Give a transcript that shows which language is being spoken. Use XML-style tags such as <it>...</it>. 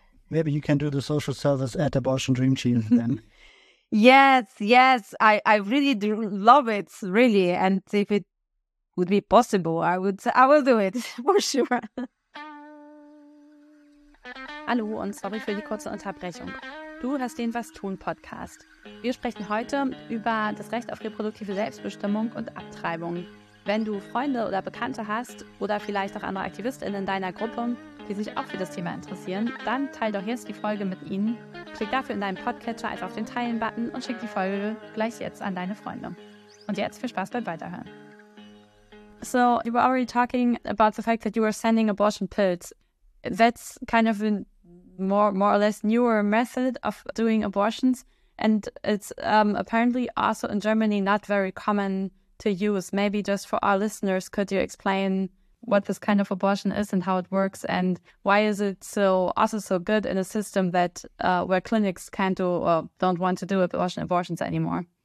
<en>maybe you can do the social service at Abortion Dream Team then. yes, I really do love it, really. And if it would be possible, I will do it, for sure.</en> <de>Hallo und sorry für die kurze Unterbrechung. Du hörst den Was tun Podcast. Wir sprechen heute über das Recht auf reproduktive Selbstbestimmung und Abtreibung. Wenn du Freunde oder Bekannte hast oder vielleicht auch andere AktivistInnen in deiner Gruppe, die sich auch für das Thema interessieren, dann teile doch jetzt die Folge mit ihnen. Klick dafür in deinem Podcatcher einfach auf den Teilen-Button und schick die Folge gleich jetzt an deine Freunde. Und jetzt viel Spaß beim Weiterhören.</de> <en>So, you were already talking about the fact that you were sending abortion pills. That's kind of more or less newer method of doing abortions, and it's apparently also in Germany not very common to use. Maybe just for our listeners, could you explain what this kind of abortion is and how it works, and why is it so good in a system that where clinics can't do or don't want to do abortions anymore?</en>